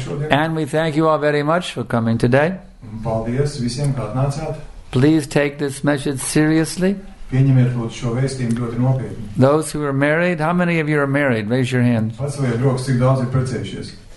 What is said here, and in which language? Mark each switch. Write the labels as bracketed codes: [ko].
[en] And we thank you all very much for coming today. [lv] Paldies visiem, ka atnācāt. [en] Please take this message seriously. [lv] Pieņemiet lūdzu šo vēstījumu ļoti nopietni. [en] Those who are married, how many of you are married? Raise your hand. [lv] Paceliet rokas, cik daudz ir precējušies.